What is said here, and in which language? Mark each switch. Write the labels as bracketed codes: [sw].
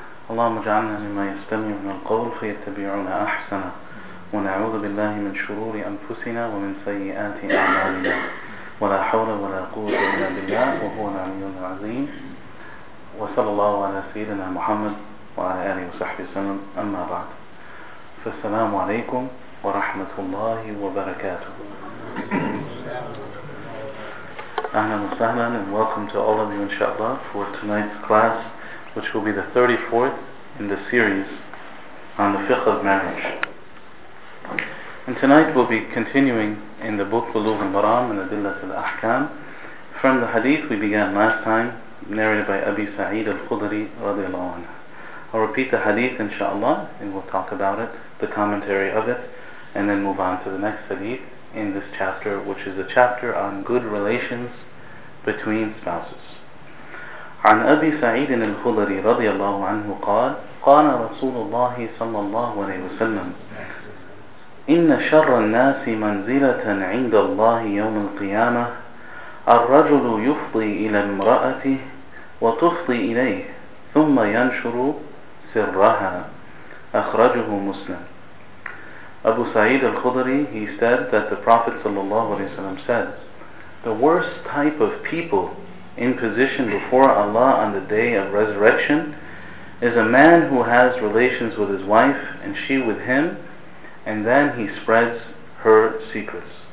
[ar] اللهم اجعلنا مما يستمعون من القول فيتبعون أحسن، ونعوذ بالله من شرور أنفسنا ومن سيئات أعمالنا، ولا حول ولا قوة إلا بالله وهو العلي العظيم. وصلى الله على سيدنا محمد وعلى آله وصحبه وسلم، أما بعد، فالسلام عليكم ورحمة الله وبركاته. أهلا وسهلا، [en] and welcome to all of you inshallah for tonight's class, which will be the 34th in the series on the fiqh of marriage. And tonight we'll be continuing in the book Bulugh al-Maram and Adillat al-Ahkam from the hadith we began last time, narrated by Abi Sa'id al-Khudri radiallahu anhu. I'll repeat the hadith inshallah, and we'll talk about it, the commentary of it, and then move on to the next hadith in this chapter, which is a chapter on good relations between spouses. [ar] عن أبي سعيد الخدري رضي الله عنه قال قال رسول الله صلى الله عليه وسلم إن شر الناس منزلة عند الله يوم القيامة الرجل يفضي إلى امرأته وتفضي إليه ثم ينشر سرها أخرجه مسلم. [en] Abu Sa'id al-Khudri, he said that the Prophet ﷺ said, the worst type of people in position before Allah on the day of resurrection is a man who has relations with his wife and she with him, and then he spreads her secrets.